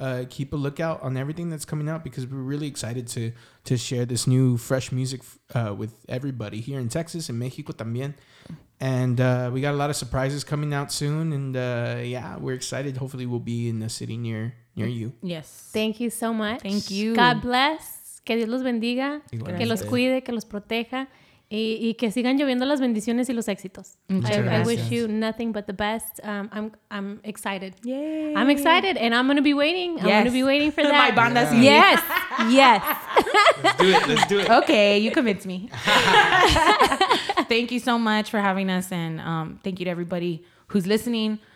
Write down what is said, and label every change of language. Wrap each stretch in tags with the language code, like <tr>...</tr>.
<en>Keep a lookout on everything that's coming out, because we're really excited to share this new fresh music with everybody here in Texas and Mexico también. And we got a lot of surprises coming out soon. And yeah, we're excited. Hopefully we'll be in a city near you. Yes. Thank you so much. Thank you. God bless.</en> <es>Que Dios los bendiga, que los cuide, que los proteja, y que sigan lloviendo las bendiciones y los éxitos.</es> <en>I wish you nothing but the best. I'm excited. Yay! I'm excited, and I'm going to be waiting. Yes. I'm going to be waiting for that. My banda season. Yes. Yes. Let's do it. Okay, you convinced me. Thank you so much for having us, and thank you to everybody who's listening.</en>